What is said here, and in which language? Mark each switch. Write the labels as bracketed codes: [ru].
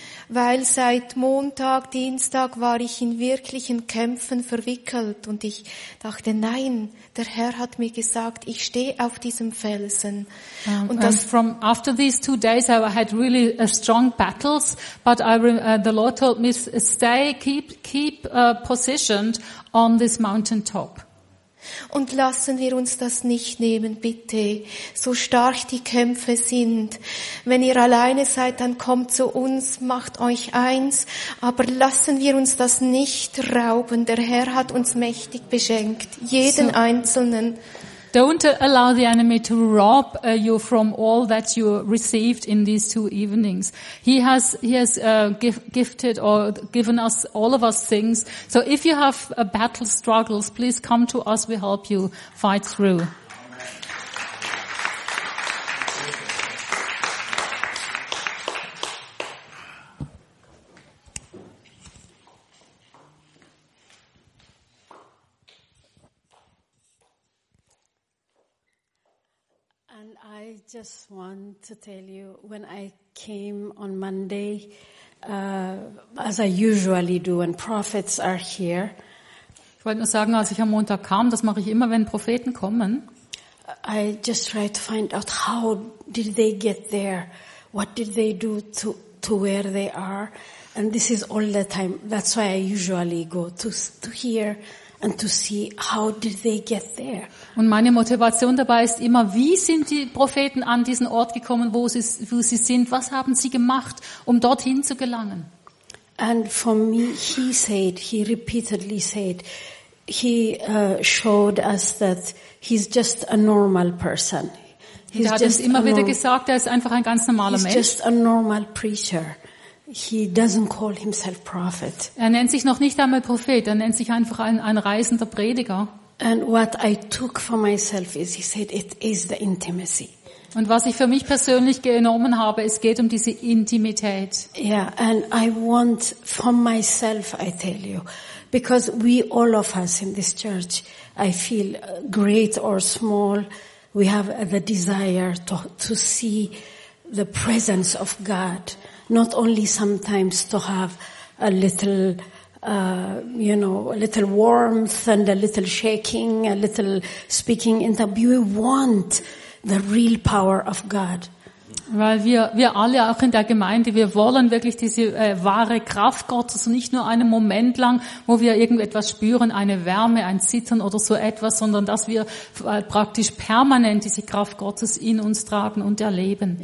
[de] Weil seit Montag, Dienstag war ich in wirklichen Kämpfen verwickelt und ich dachte, nein, der Herr hat mir gesagt, ich stehe auf diesem Felsen. Und das [en] from after these two days I had really strong battles, but the Lord told me stay, keep positioned on this mountain top. [de] Und lassen wir uns das nicht nehmen, bitte. So stark die Kämpfe sind. Wenn ihr alleine seid, dann kommt zu uns, macht euch eins. Aber lassen wir uns das nicht rauben. Der Herr hat uns mächtig beschenkt. Jeden Einzelnen. [en] Don't allow the enemy to rob you from all that you received in these two evenings. He has given us all of us things. So if you have a battle struggles, please come to us. We help you fight through. I just want to tell you, when I came on Monday, as I usually do when prophets are here. [de] Ich wollte nur sagen, als ich am Montag kam, das mache ich immer, wenn Propheten kommen. [en] I just try to find out how did they get there, what did they do to where they are, and this is all the time. That's why I usually go to here and to see how did they get there. [de] Und meine Motivation dabei ist immer, wie sind die Propheten an diesen Ort gekommen, wo sie sind? Was haben sie gemacht, um dorthin zu gelangen? [en] And for me, he said, he repeatedly said, he showed us that he's just a normal person. [de] Er hat uns immer wieder gesagt, er ist einfach ein ganz normaler Mensch. [en] He's just a normal preacher. He doesn't call himself prophet. [de] Er nennt sich noch nicht einmal Prophet, er nennt sich einfach ein reisender Prediger. [en] And what I took for myself is, he said, it is the intimacy. [de] Und was ich für mich persönlich genommen habe, es geht um diese Intimität. [en] Yeah, and I want from myself, I tell you, because we all of us in this church, I feel great or small, we have the desire to see the presence of God. Not only sometimes to have a little, a little warmth and a little shaking, a little speaking in tongues. We want the real power of God. [de] Weil wir alle auch in der Gemeinde, wir wollen wirklich diese wahre Kraft Gottes, nicht nur einen Moment lang, wo wir irgendetwas spüren, eine Wärme, ein Zittern oder so etwas, sondern dass wir praktisch permanent diese Kraft Gottes in uns tragen und erleben.